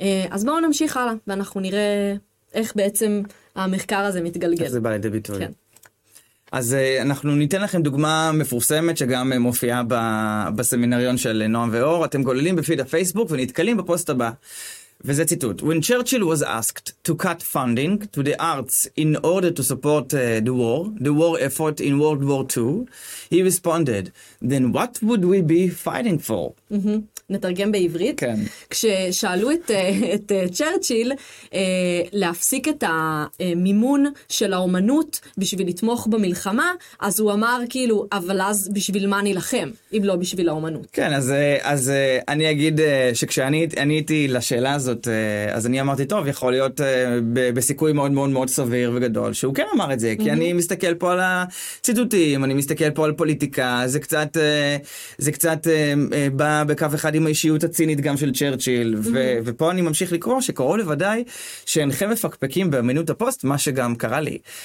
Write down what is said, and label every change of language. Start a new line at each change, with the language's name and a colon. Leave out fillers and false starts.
Hebrew: אז בואו נמשיך הלאה, ואנחנו נראה איך בעצם המחקר הזה מתגלגל. איך זה בא לידי ביטוי. כן. אז אנחנו ניתן לכם דוגמה מפורסמת שגם מופיעה בסמינריון של נועם ואור. אתם גוללים בפיד הפייסבוק ונתקלים בפוסט הבא. וזה ציטוט.
English: When Churchill was asked to cut funding to the arts in order to support the war effort in World War II, he responded, then what would we be fighting for?
Hebrew: נתרגם בעברית. כן. כששאלו את צ'רצ'יל להפסיק את המימון של האומנות בשביל לתמוך במלחמה, אז הוא אמר כאילו, אבל אז בשביל מה נלחם, אם לא בשביל האומנות. כן, אז אני אגיד שכשאני עניתי לשאלה הזאת, אז אני אמרתי, טוב, יכול להיות בסיכוי מאוד מאוד מאוד סביר וגדול, שהוא כן אמר את זה, כי אני מסתכל פה על הציטוטים, אני מסתכל פה על פוליטיקה, זה קצת בא בקו אחד, עם האישיות הצינית גם של צ'רצ'יל, ופה אני ממשיך לקרוא שקורא לוודאי שאינכם מפקפקים באמינות הפוסט, מה שגם קרה לי.